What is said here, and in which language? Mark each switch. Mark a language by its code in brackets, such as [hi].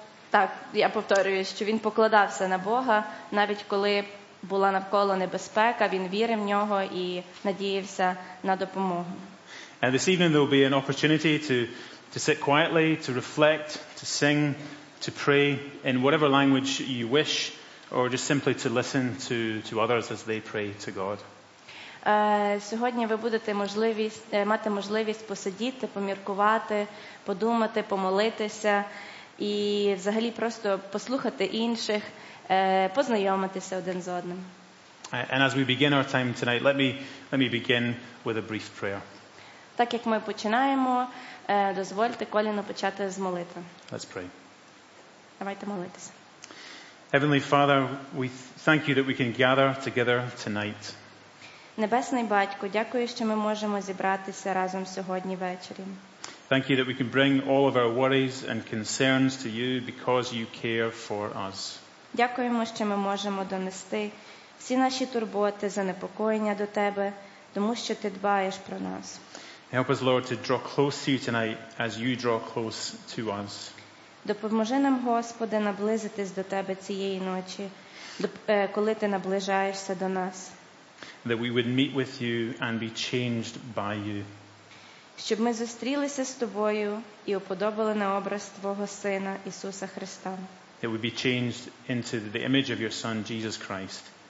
[uk] Так, я повторюю, що він покладався на Бога, навіть коли була навколо небезпека, він вірив в нього і надіявся на допомогу. [en] And this evening there will be an opportunity to sit quietly, to reflect, to sing, to pray in whatever language you wish, or just simply to listen to others as they pray to God. [uk] Сьогодні ви будете мати можливість посидіти, поміркувати, подумати, помолитися, і взагалі просто послухати інших, познайомитися один з одним. [en] And as we begin our time tonight, let me begin with a brief prayer. [uk] Так як ми починаємо, дозвольте Коліну почати з молитви. [en] Let's pray. [uk] Давайте молитися. [en] Heavenly Father, we thank you that we can gather together tonight. [uk] Небесний Батько, дякую, що ми можемо зібратися разом сьогодні ввечері. [en] Thank you that we can bring all of our worries and concerns to you because you care for us. [uk] Дякуємо, що ми можемо донести всі наші турботи, занепокоєння до тебе, тому що ти дбаєш про нас. [en] Help us, Lord, to draw close to you tonight as you draw close to us. [uk] Допоможи нам, Господи, наблизитись до тебе цієї ночі, коли ти наближаєшся до нас. [en] That we would meet with you and be changed by you. [uk] Щоб ми зустрілися з тобою і уподобали на образ твого Сина Ісуса Христа. [en] That we be changed into the image of your Son Jesus Christ.